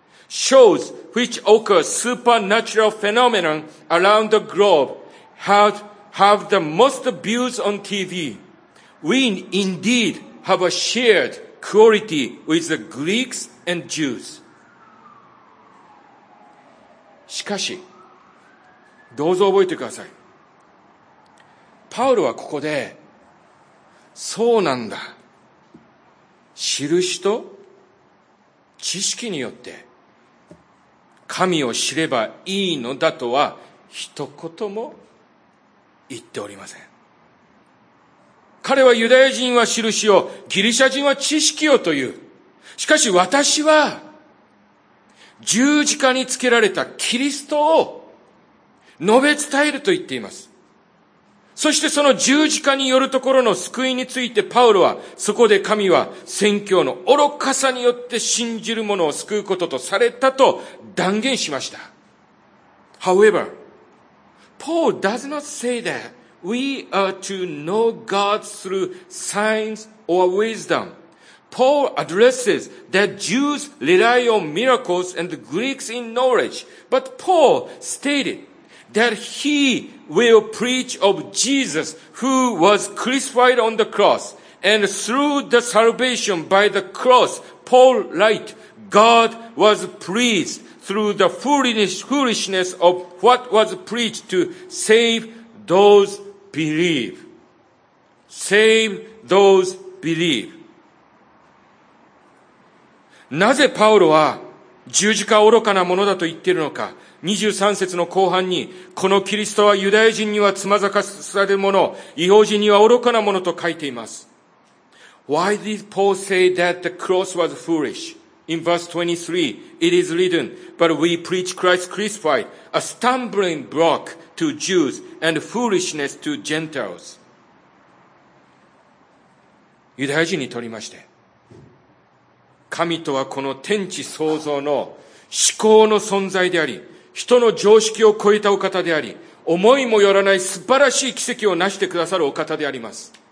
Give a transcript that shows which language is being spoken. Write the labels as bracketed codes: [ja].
[en] Shows which occur supernatural phenomena around the globe have the most views on TV. We indeed have a shared quality with the Greeks and Jews. [ja] しかし、どうぞ覚えてください。パウロはここで、そうなんだ。印と知識によって、神を知ればいいのだとは一言も言っておりません。彼はユダヤ人は印を、ギリシャ人は知識をという。しかし私は十字架につけられたキリストを述べ伝えると言っています。そしてその十字架によるところの救いについてパウロは、そこで神は宣教の愚かさによって信じる者を救うこととされたと断言しました。 [en] However, Paul does not say that we are to know God through signs or wisdom. Paul addresses that Jews rely on miracles and the Greeks in knowledge, but Paul stated that he will preach of Jesus who was crucified on the cross, and through the salvation by the cross, Paul writes, God was pleased through the foolishness of what was preached to save those believe. Save those believe. [ja] なぜパウロは十字架愚かなものだと言っているのか。 23節の後半に、このキリストはユダヤ人にはつまざかされるもの、異邦人には愚かなものと書いています。 [en] Why did Paul say that the cross was foolish? In verse 23, it is written, But we preach Christ crucified, a stumbling block to Jews and foolishness to Gentiles. [ja] ユダヤ人にとりまして、神とはこの天地創造の思考の存在であり、人の常識を超えたお方であり、思いもよらない素晴らしい奇跡を成してくださるお方であります。